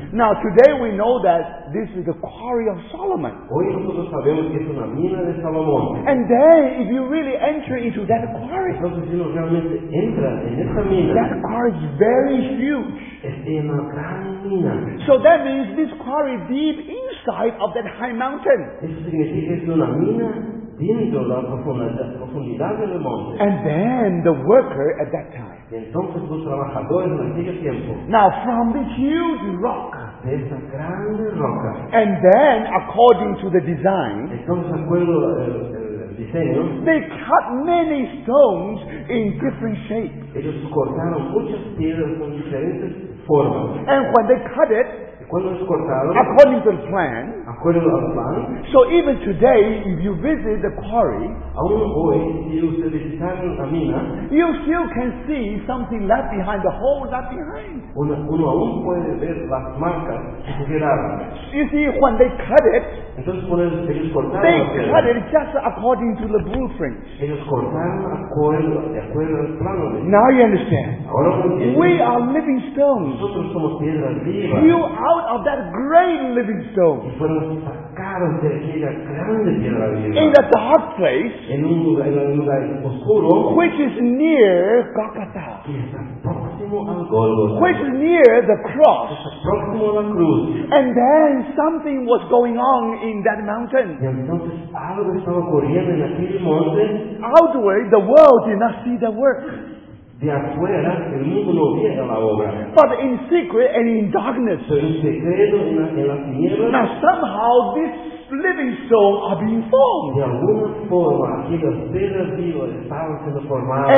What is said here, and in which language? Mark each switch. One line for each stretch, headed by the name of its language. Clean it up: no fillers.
English: Now today we know that this is the quarry of Solomon.
Spanish: Hoy nosotros sabemos que es una mina de Salomón.
English: And then if you really enter into that quarry,
Spanish: entonces, si uno realmente entra en esa mina,
English: that quarry is very huge.
Spanish: Es de una gran mina.
English: So that means this quarry deep inside of that high mountain.
Spanish: Eso significa que es una mina. La profundidad del monte.
English: And then the worker at that time.
Spanish: Entonces, los trabajadores en aquel tiempo.
English: Now from this huge rock.
Spanish: De esa grande roca.
English: And then according to the design.
Spanish: Entonces, acuerdo al diseño.
English: They cut many stones in different shapes.
Spanish: Ellos cortaron muchas piedras con diferentes formas.
English: And when they cut it. according to the plan. According to the plan. So even today, if you visit the quarry, you still can see something left behind, the hole left behind.
Spanish: Uno aún puede ver las marcas que quedaron.
English: You see, when they cut it,
Spanish: entonces,
English: they cut it just according to the blueprint.
Spanish: Ellos cortaron acuerdo al plano.
English: Now you understand.
Spanish: Ahora,
English: we are living stones.
Spanish: Nosotros somos piedras vivas.
English: You out of that great living stone.
Spanish: Y fueron sacados de aquella grande piedra viva.
English: In the dark place,
Spanish: en un lugar oscuro,
English: which is near Golgotha. Which is near the cross. And then something was going on in that mountain. Outward, the world did not see the work.
Spanish: De afuera, el mundo no viera la obra.
English: But in secret and in darkness.
Spanish: Pero en secreto, en la tiniebla,
English: now somehow this living stone are being formed.
Spanish: De alguna forma, aquellas piedras vivas estaban siendo formadas.